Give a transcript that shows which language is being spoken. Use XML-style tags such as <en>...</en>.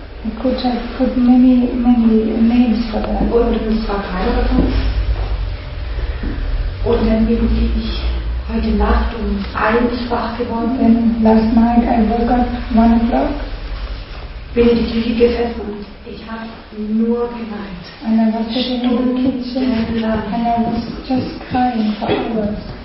<en>I could have put many, many names for that.</en> <de>Und es war keiner davon. Und dann bin ich heute Nacht um 1 wach geworden.</de> <en>And last night I woke up 1 o'clock.</en> <de>Bin in die Küche gesessen und ich habe nur geweint.</de> <en>And I was sitting in the kitchen and I was just crying for hours.</en>